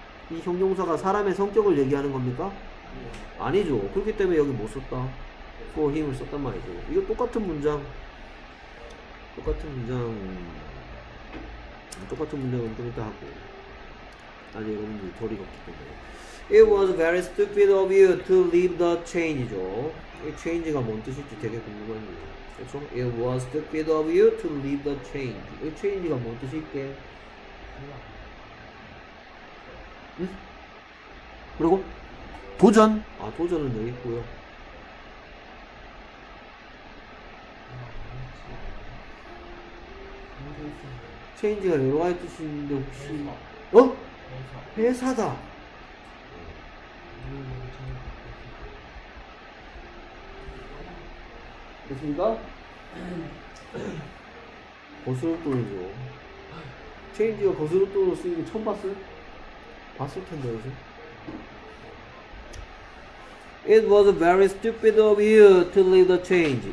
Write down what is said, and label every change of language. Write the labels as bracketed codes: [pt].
[ko] 이 형용사가 사람의 성격을 얘기하는 겁니까? 아니죠. 그렇기 때문에 여기 못 썼다. for him을 썼단 말이죠. 이거 똑같은 문장은 좀 이따 하고. 아직 여러분들이 덜 익었기 때문에. [en] It was very stupid of you to leave the change죠. [ko] 이 change가 뭔 뜻일지 되게 궁금하네요. 그렇죠? [en] It was stupid of you to leave the change. [ko] 이 change가 뭔 뜻일게? 응? 그리고 도전. 아, 도전은 여기 있고요. change가 여러 가지 뜻인데 혹시 어? 회사다. 됐습니까? 거스름돈이죠. 체인지가 거스름돈으로 쓰이는 거 처음 봤을 텐데 요즘. [en] It was very stupid of you to leave the change.